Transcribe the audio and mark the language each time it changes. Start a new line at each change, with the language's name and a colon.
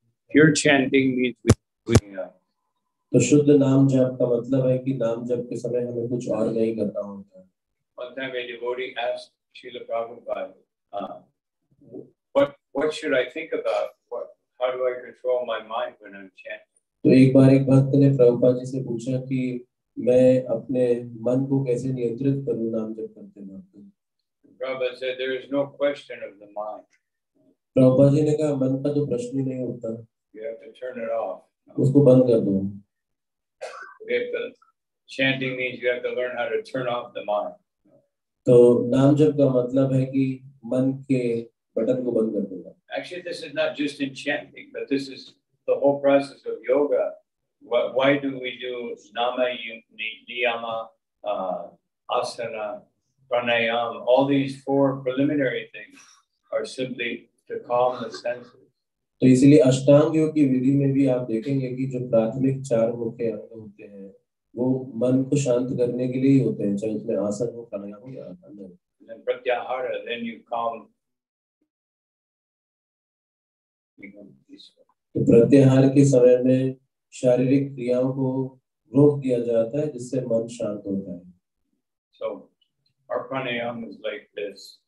English: Pure chanting means one time a devotee asked Srila Prabhupada, what should I think about? How do I control my mind when I'm chanting?
Hindi: तो एक बार एक भक्त ने प्रभुपाद जी से पूछा कि मैं अपने मन को कैसे नियंत्रित करूं नाम जप करते वक्त प्रभुपाद जी ने कहा मन का तो प्रश्न ही नहीं होता
English: you have to turn it off.
Hindi: उसको बंद कर दो
English: chanting means you have to learn how to turn off the mind.
Hindi: तो नाम जप का मतलब है कि मन के बटन को बंद कर देना
English: actually this is not just in chanting but this is the whole process of yoga. Why do we do nama, niyama, asana, pranayama? All these four preliminary things are simply to calm the senses.
Hindi: तो इसलिए अष्टांग योग की विधि में भी आप देखेंगे कि जो प्राथमिक चार मुख्य अंग होते हैं, वो मन को शांत करने के लिए होते हैं, चाहे उसमें आसन हो, प्राणायाम हो या आसना हो.
English: Then pratyahara, then you calm.
Hindi: तो प्रत्याहार के समय में शारीरिक क्रियाओं को रोक दिया जाता है जिससे मन शांत होता है.
English: So, our pranayam is like this.